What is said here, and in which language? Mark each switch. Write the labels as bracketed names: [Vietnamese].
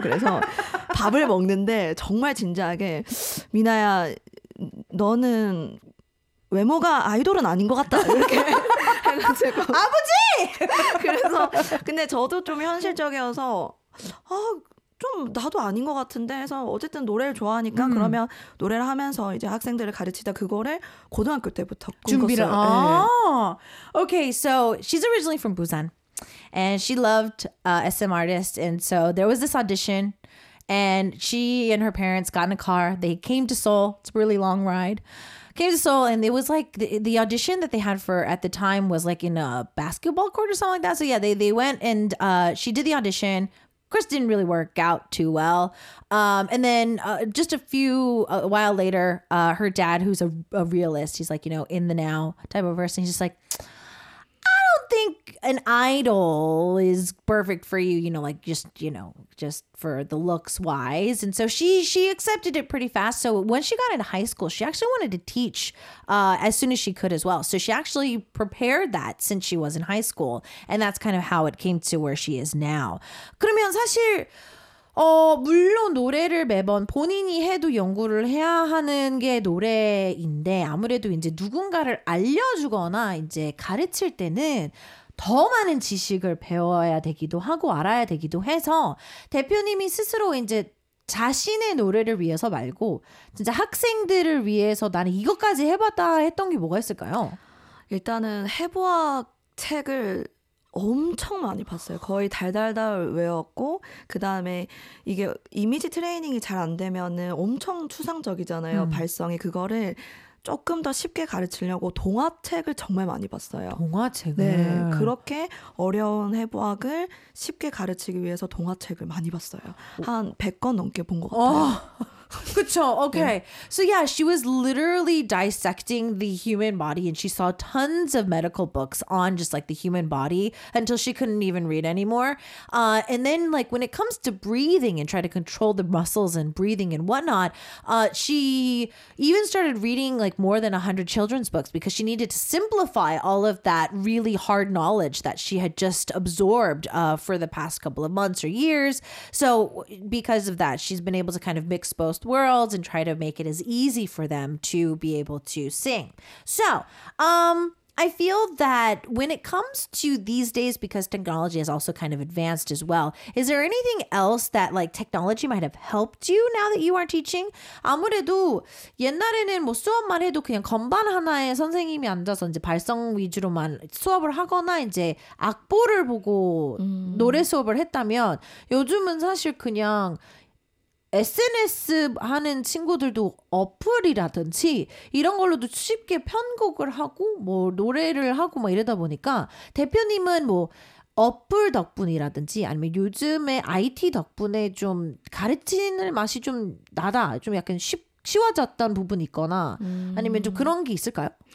[Korean] 그래서 밥을 먹는데 정말 진지하게 미나야 너는 외모가 아이돌은 아닌 것 같다 이렇게 해가지고 아버지! 그래서 근데 저도 좀 현실적이어서 좀 나도 아닌 것 같은데 해서 어쨌든 노래를 좋아하니까 그러면 노래를 하면서 이제 학생들을 가르치다 그거를 고등학교 때부터 준비를 꿈꿨어요. 아~ 네. [English] Okay, so she's originally from Busan and she loved SM artists and so there was this audition and she and her parents got in a car. They came to Seoul. It's a really long ride. Came to Seoul and it was like the audition that they had for at the time was like in a basketball court or something like that. So yeah, they went and she did the audition. Of course, didn't really work out too well. And then just a while later, her dad, who's a realist, he's like, you know, in the now type of person. He's just like, I don't think an idol is perfect for you, you know, like just, you know, just for the looks wise. And so she accepted it pretty fast. So when she got into high school, she actually wanted to teach as soon as she could as well. So she actually prepared that since she was in high school. And that's kind of how it came to where she is now. [Korean] 그러면 사실 물론 노래를 매번 본인이 해도 연구를 해야 하는 게 노래인데 아무래도 이제 누군가를 알려주거나 이제 가르칠 때는 더 많은 지식을 배워야 되기도 하고 알아야 되기도 해서 대표님이 스스로 이제 자신의 노래를 위해서 말고 진짜 학생들을 위해서 나는 이것까지 해봤다 했던 게 뭐가 있을까요? 일단은 해부학 책을 엄청 많이 봤어요. 거의 달달달 외웠고 그 다음에 이게 이미지 트레이닝이 잘 안 되면은 엄청 추상적이잖아요. 발성이 그거를 조금 더 쉽게 가르치려고 동화책을 정말 많이 봤어요. 동화책을? 네. 그렇게 어려운 해부학을 쉽게 가르치기 위해서 동화책을 많이 봤어요. 한 100권 넘게 본 것 같아요. 그쵸. [English] Okay. Yeah. So yeah, she was literally dissecting the human body and she saw tons of medical books on just like the human body until she couldn't even read anymore. And then like when it comes to breathing and try to control the muscles and breathing and whatnot, she even started reading like more than 100 children's books because she needed to simplify all of that really hard knowledge that she had just absorbed for the past couple of months or years. So because of that, she's been able to kind of mix both worlds and try to make it as easy for them to be able to sing. So I feel that when it comes to these days, because technology has also kind of advanced as well, is there anything else that like technology might have helped you now that you are teaching? [Korean] 아무래도 옛날에는 뭐 수업만 해도 그냥 건반 하나에 선생님이 앉아서 이제 발성 위주로만 수업을 하거나 이제 악보를 보고 노래 수업을 했다면 요즘은 사실 그냥 SNS 하는 친구들도 어플이라든지 이런 걸로도 쉽게 편곡을 하고 뭐 노래를 하고 막 이러다 보니까 대표님은 뭐 어플 덕분이라든지 아니면 요즘에 IT 덕분에 좀 가르치는 맛이 좀 나다 좀 약간 쉬워졌던 부분이 있거나 아니면 좀 그런 게 있을까요?